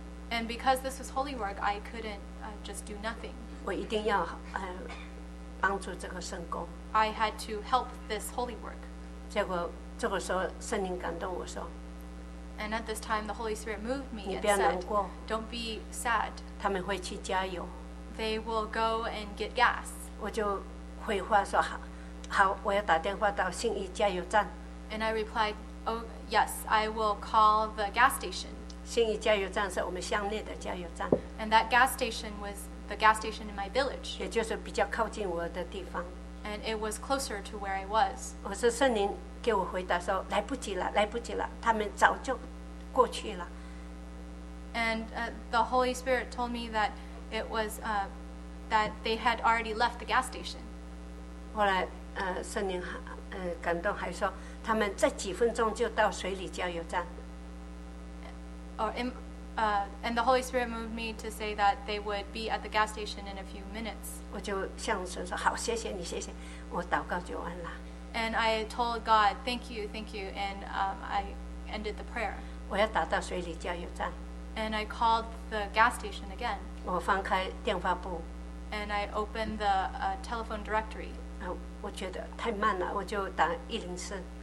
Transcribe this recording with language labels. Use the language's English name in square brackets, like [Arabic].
[English] And because this was holy work, I couldn't just do nothing. [Chinese] 我一定要帮助这个圣工。 [English] I had to help this holy work. [Chinese] 结果这个时候圣灵感动我说。 [English] And at this time, the Holy Spirit moved me and said, "Don't be sad." [Chinese] 他们会去加油。 [English] They will go and get gas. [Chinese] 我就回话说好。好，我要打电话到信义加油站。 [English] And I replied, "Oh yes, I will call the gas station." [Chinese] 信义加油站是我们乡内的加油站。 [English] And that gas station was the gas station in my village. [Chinese] 也就是比较靠近我的地方。 [English] And it was closer to where I was. [Chinese] 我说圣灵给我回答说，来不及了，来不及了，他们早就过去了。 [English] And the Holy Spirit told me that it was that they had already left the gas station. [Chinese] 后来圣灵感动还说他们在几分钟就到水里加油站。 [English] And the Holy Spirit moved me to say that they would be at the gas station in a few minutes. [Chinese] 我就向神说好，谢谢你，谢谢，我祷告就完了。 [English] And I told God, thank you, and I ended the prayer. [Chinese] 我要打到水里加油站。 [English] And I called the gas station again. [Chinese] 我翻开电话簿。 [English] And I opened the telephone directory. [Chinese] 我觉得太慢了，我就打104。